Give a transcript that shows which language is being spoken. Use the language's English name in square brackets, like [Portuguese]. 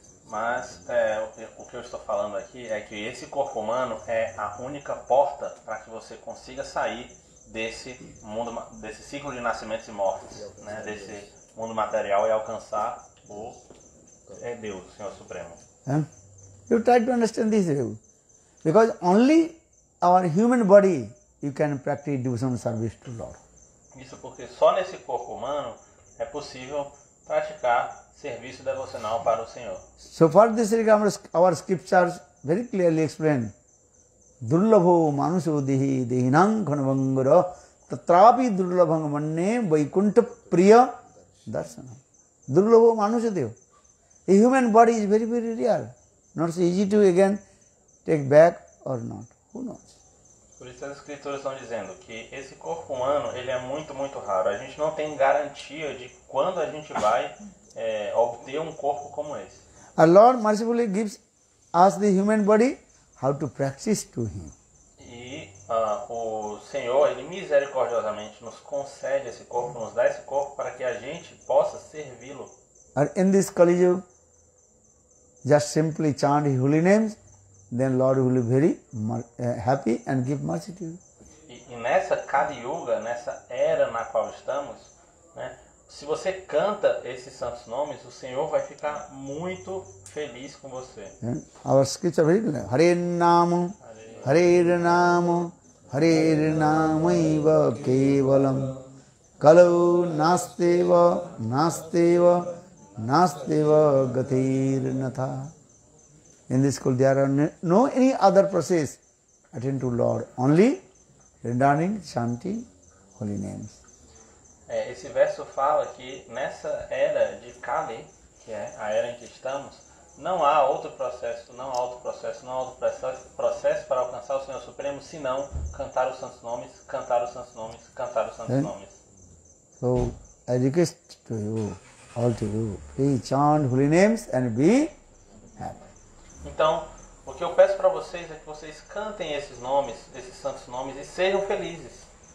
[Portuguese] Mas o que eu estou falando aqui é que esse corpo humano é a única porta para que você consiga sair desse mundo, desse ciclo de nascimentos e mortes, né? Desse mundo material e alcançar o Deus, o Senhor Supremo. [English] You try to understand this, because only our human body you can practice devotional service to Lord. [Portuguese] Isso porque só nesse corpo humano é possível praticar serviço devocional para o Senhor. [English] So for this regard, our scriptures very clearly explain. [Sanskrit] Durlabho manuso dehi dehinam ghanavangura tatrapi durlabham manne vaikunta priya darshanam. Durlabho manuso dehu. [English] A human body is very, very real. Not so easy to again take back or not. Who knows? [Portuguese] Por isso as escrituras estão dizendo que esse corpo humano ele é muito, muito raro. A gente não tem garantia de quando a gente vai obter um corpo como esse. [English] A Lord mercifully gives us the human body how to practice to Him. [Portuguese] E o Senhor, Ele misericordiosamente nos concede esse corpo, nos dá esse corpo para que a gente possa servi-lo. [English] In this Kali Yuga, just simply chant holy names, then Lord will be very happy and give mercy to you. [Portuguese] E nessa Kali Yuga, nessa era na qual estamos, né, se você canta esses santos nomes, o Senhor vai ficar muito feliz com você. [English] Our scripture is very clear. [Sanskrit] Hare Nama, Hare Nama, Hare Nama Iva Kevalam, Kalau Nasteva, Nasteva, Nasteva Gatir Natha. [English] In this school there are no any other process attend to Lord, only rendering, chanting holy names. [Portuguese] Esse verso fala que nessa era de Kali, que é a era em que estamos, não há outro processo, não há outro processo, não há outro processo para alcançar o Senhor Supremo, senão cantar os santos nomes, cantar os santos nomes, cantar os santos nomes. [English] So, I request to you, all to you, please chant holy names and be happy. [Portuguese] Então, o que eu peço para vocês é que vocês cantem esses nomes, esses santos nomes e sejam felizes.